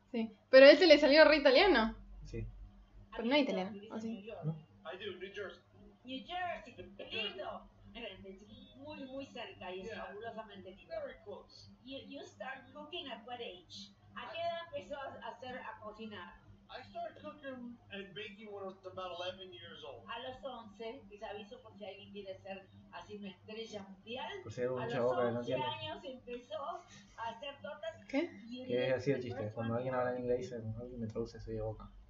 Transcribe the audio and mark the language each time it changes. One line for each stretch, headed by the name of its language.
Spanish: Sí. Pero a este le salió re italiano. Sí. Pero no es italiano, ¿o sí? No.
English: I do, New Jersey.
Spanish: New Jersey, lindo. Muy, muy cerca y es fabulosamente lindo.
English: Very close. You start cooking at what age?
Spanish: ¿A qué edad empezó a hacer a cocinar?
English: I started cooking and baking when I was about 11 years old.
Spanish: A los 11, les aviso por si alguien quiere ser así una estrella mundial. Por ser un chavo que no tiene. A los 11 años empezó a hacer tortas. ¿Qué? ¿Qué es así el chiste? Cuando alguien habla en inglés, alguien me traduce eso de boca.